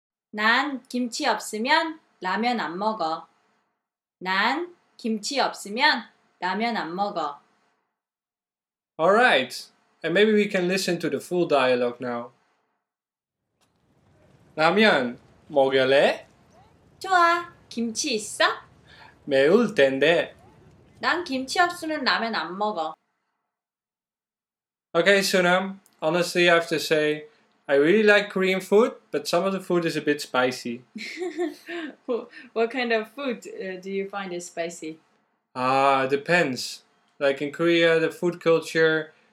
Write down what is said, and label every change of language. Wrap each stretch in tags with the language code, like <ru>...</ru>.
<ko>난 김치 없으면 라면 안 먹어. 난 김치 없으면 라면 안 먹어.</ko> <en>All right, and maybe we can listen to the full dialogue now.</en> <ko>라면 먹을래? 좋아, 김치 있어? 매울 텐데. 난 김치 없으면 라면 안 먹어.</ko> <en>Okay, Suna, honestly, I have to say, I really like Korean food, but some of the food is a bit spicy. What kind of food do you find is spicy? It depends. Like in Korea, the food culture.</en>